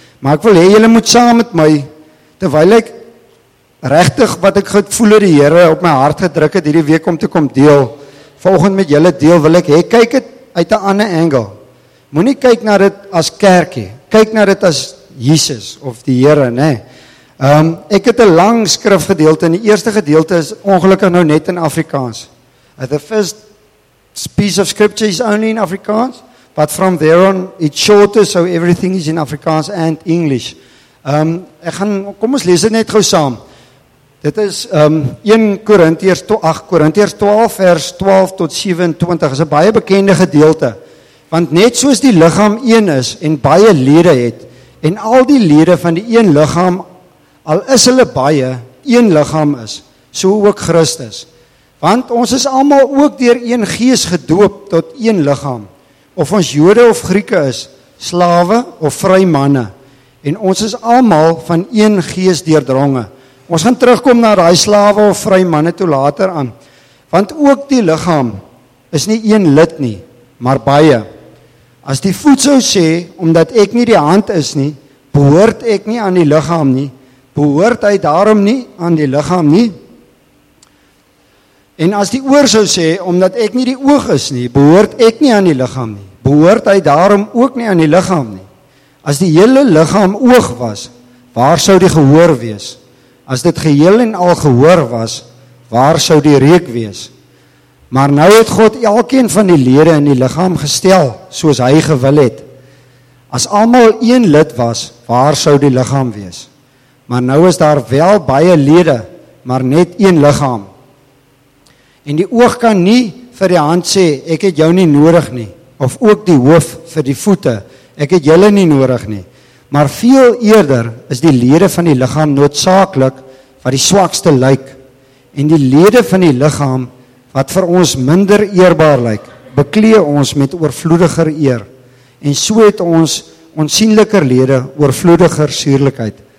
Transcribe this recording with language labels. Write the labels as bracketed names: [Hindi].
[Afrikaans] Maar ek wil hê julle moet saam met my, terwyl ek regtig wat ek gevoel het die Here op my hart gedruk het hierdie week om te kom deel, vanoggend met julle deel, wil ek hê kyk dit uit 'n ander angle. Moenie kyk na dit as kerkie, kyk na dit as Jesus of die Here, nê. Ek het 'n lang skrifgedeelte en die eerste gedeelte is ongelukkig nou net in Afrikaans. [English] The first piece of scripture is only in Afrikaans, but from there on it's shorter, so everything is in Afrikaans and English. [Afrikaans] Kom ons lees dit net gou saam. Dit is 1 Korintiërs 12 vers 12 tot 27. Dit is 'n baie bekende gedeelte. Want net soos die liggaam een is en baie lede het, en al die lede van die een liggaam, al is hulle baie, een liggaam is, so ook Christus. Want ons is almal ook deur een gees gedoop tot een liggaam, of ons Jode of Grieke is, slawe of vrye manne, en ons is almal van een gees deurdronge. Ons gaan terugkom na daai slawe of vrye manne toe later aan. Want ook die liggaam is nie een lid nie, maar baie. As die voet sou sê, omdat ek nie die hand is nie, behoort ek nie aan die liggaam nie, behoort hy daarom nie aan die liggaam nie. En as die oor sou sê, omdat ek nie die oog is nie, behoort ek nie aan die liggaam nie, behoort hy daarom ook nie aan die liggaam nie. As die hele liggaam oog was, waar sou die gehoor wees? As dit geheel en al gehoor was, waar sou die reuk wees? Maar nou het God elkeen van die lede in die liggaam gestel, soos hy gewil het. As almal een lid was, waar sou die liggaam wees? Maar nou is daar wel baie lede, maar net een liggaam. En die oog kan nie vir die hand sê, ek het jou nie nodig nie, of ook die hoof vir die voete, ek het julle nie nodig nie. Maar veel eerder is die lede van die liggaam noodsaaklik wat die swakste lyk, en die lede van die liggaam wat vir ons minder eerbaar lyk, beklee ons met oorvloediger eer, en so het ons onsienliker lede oorvloediger suurlikheid.